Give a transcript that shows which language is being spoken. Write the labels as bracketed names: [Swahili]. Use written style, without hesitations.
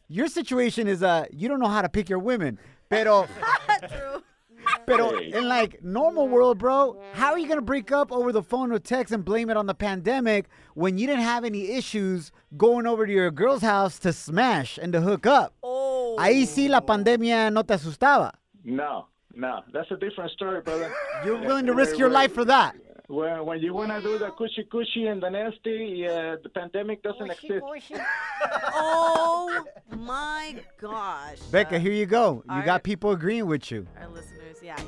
[English] Your situation is you don't know how to pick your women. [Spanish] Pero, pero [English] in like normal world, bro, how are you going to break up over the phone or text and blame it on the pandemic when you didn't have any issues going over to your girl's house to smash and to hook up? [Spanish] Ahí sí la pandemia no te asustaba. [English] No. That's a different story, brother. You're willing to risk your life for that? Well, when you want to do the cushy-cushy and the nasty, the pandemic doesn't exist. Oh, my gosh. Becca, here you go. You got people agreeing with you. Our listeners, yeah.